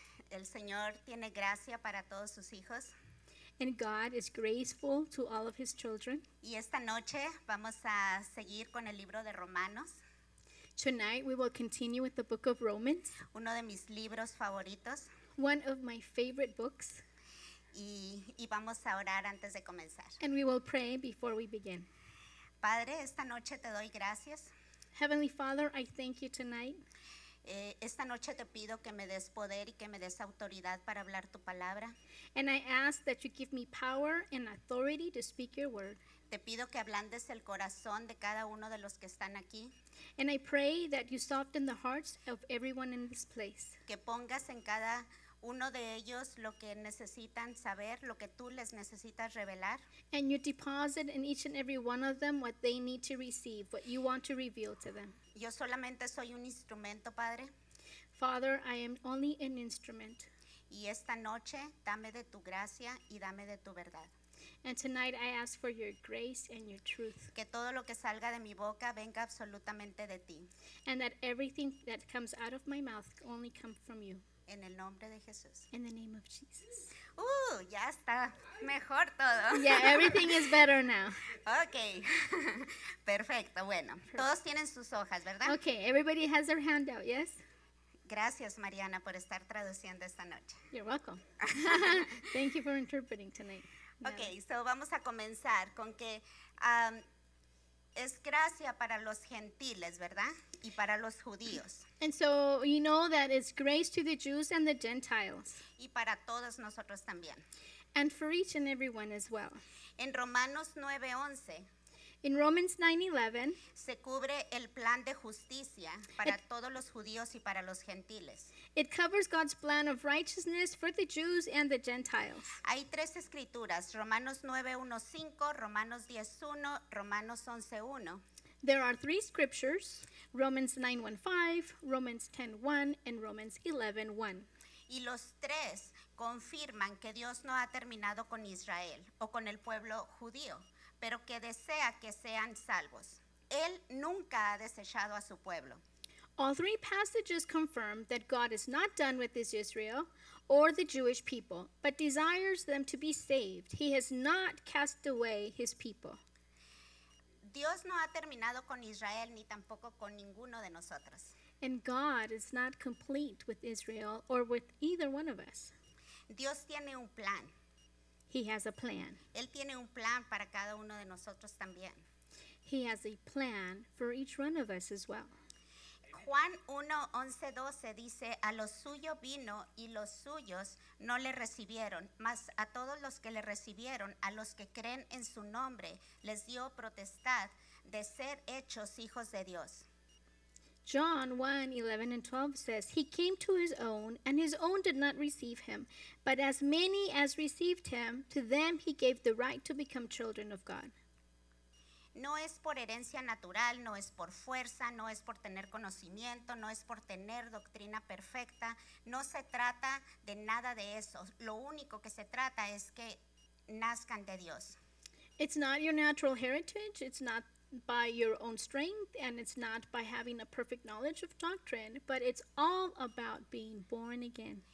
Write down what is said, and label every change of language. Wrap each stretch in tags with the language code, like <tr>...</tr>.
<es>El Señor tiene gracia para todos sus hijos.</es> <en>And God is graceful to all of his children.</en> <es>Y esta noche vamos a seguir con el libro de Romanos.</es> <en>Tonight we will continue with the book of Romans.</en> <es>Uno de mis libros favoritos.</es> <en>One of my favorite books.</en> <es>Y vamos a orar antes de comenzar.</es> <en>And we will pray before we begin.</en> <es>Padre, esta noche te doy gracias.</es> <en>Heavenly Father, I thank you tonight.</en> <es>Esta noche te pido que me des poder y que me des autoridad para hablar tu palabra.</es> <en>And I ask that you give me power and authority to speak your word.</en> <es>Te pido que ablandes el corazón de cada uno de los que están aquí.</es> <en>And I pray that you soften the hearts of everyone in this place.</en> <es>Que pongas en cada uno de ellos lo que necesitan saber, lo que tú les necesitas revelar.</es> <en>And you deposit in each and every one of them what they need to receive, what you want to reveal to them.</en> <es>Yo solamente soy un instrumento, Padre.</es> <en>Father, I am only an instrument.</en> <es>Y esta noche, dame de tu gracia y dame de tu verdad.</es> <en>And tonight I ask for your grace and your truth.</en> <es>Que todo lo que salga de mi boca venga absolutamente de ti.</es> <en>And that everything that comes out of my mouth only come from you.</en> <es>En el nombre de Jesús.</es> <en>In the name of Jesus.</en> <es>Ya está mejor todo.</es> <en>Yeah, everything is better now.</en> <es>Okay. Perfecto. Bueno, todos tienen sus hojas, ¿verdad?</es> <en>Okay, everybody has their handout, yes?</en> <es>Gracias, Mariana, por estar traduciendo esta noche.</es> <en>You're welcome. Thank you for interpreting tonight. Okay, so</en> <es>vamos a comenzar con que es gracia para los gentiles, ¿verdad? Y para los judíos.</es> <en>And so you know that it's grace to the Jews and the Gentiles.</en> <es>Y para todos nosotros también.</es> <en>And for each and everyone as well.</en> <es>En Romanos 9:11.</es> <en>In Romans 9:11.</en> <es>Se cubre el plan de justicia para todos los judíos y para los gentiles.</es> <en>It covers God's plan of righteousness for the Jews and the Gentiles.</en> <es>Hay tres escrituras, Romanos 9:1-5, Romanos 10:1, Romanos 11:1.</es> <en>There are three scriptures, Romans 9:1-5, Romans 10:1, and Romans 11:1.</en> <es>Y los tres confirman que Dios no ha terminado con Israel o con el pueblo judío, pero que desea que sean salvos. Él nunca ha desechado a su pueblo.</es> <en>All three passages confirm that God is not done with Israel or the Jewish people, but desires them to be saved. He has not cast away his people.</en> <es>Dios no ha terminado con Israel ni tampoco con ninguno de nosotros.</es> <en>And God is not complete with Israel or with either one of us.</en> <es>Dios tiene un plan.</es> <en>He has a plan.</en> <es>Él tiene un plan para cada uno de nosotros también.</es> <en>He has a plan for each one of us as well.</en> <es>Juan 1:11-12 dice, a lo suyo vino y los suyos no le recibieron, mas a todos los que le recibieron, a los que creen en su nombre, les dio potestad de ser hechos hijos de Dios.</es> <en>John 1:11-12 says, he came to his own, and his own did not receive him, but as many as received him, to them he gave the right to become children of God.</en> <es>No es por herencia natural, no es por fuerza, no es por tener conocimiento, no es por tener doctrina perfecta. No se trata de nada de eso. Lo único que se trata es que nazcan de Dios.</es> <en>It's not your natural heritage. It's not by your own strength, and it's not by having a perfect knowledge of doctrine, but it's all about being born again.</en>